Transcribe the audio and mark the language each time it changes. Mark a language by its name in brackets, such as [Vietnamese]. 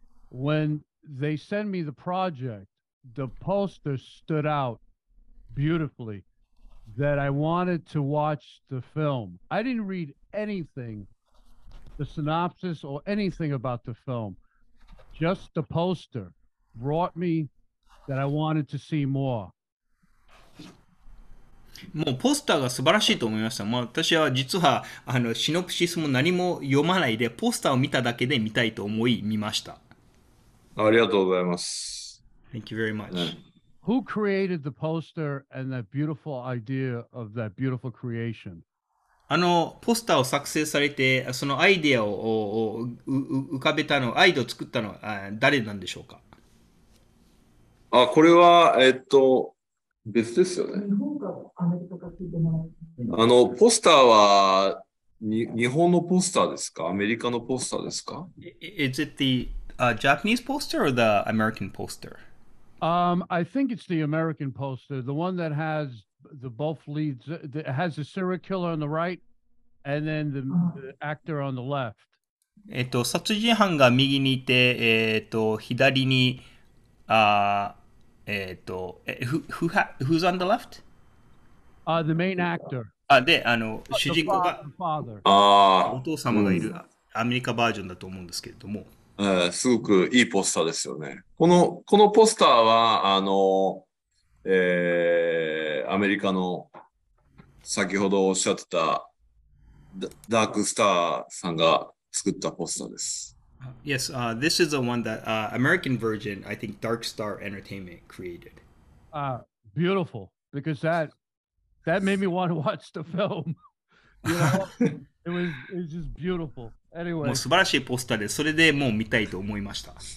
[English] When they sent me the project, the poster stood out beautifully that I wanted to watch the film. I didn't read anything. The synopsis or anything about the film, just the poster brought me that I wanted to see more. [Japanese] もうポスターが素晴らしいと思いました。まあ、私は実はシノプシスも何も読まないで、ポスターを見ただけで見たいと思い見ました。ありがとうございます。 [English] Thank you very much. Who created the poster and that beautiful idea of that beautiful creation? [Japanese] ポスターを作成されて、そのアイデアを浮かべたの、アイデアを作ったのは誰なんでしょうか？あ、これは、別ですよね。日本かアメリカか聞いてもらって。ポスターは、日本のポスターですか？アメリカのポスターですか？ [English] Is it the Japanese poster or the American poster? I think it's the American poster, the one that has the both leads, that has the serial killer on the right and then the actor on the left. [Japanese] 殺人犯が右にいて、左に、 [English] who's on the left? The main actor, [Japanese] で、主人公が、 [English] the father. [Japanese] お父様がいるアメリカバージョンだと思うんですけれども。すごくいいポスターですよね。このポスターは、アメリカの先ほどおっしゃってたダークスターさんが作ったポスターです。 [English] Yes, this is the one that American version, I think Dark Star Entertainment created. Beautiful, because that made me want to watch the film. It was just beautiful. [Japanese] もう [English] Anyway. [Japanese] 素晴らしいポスターで、それでもう見たいと思いました。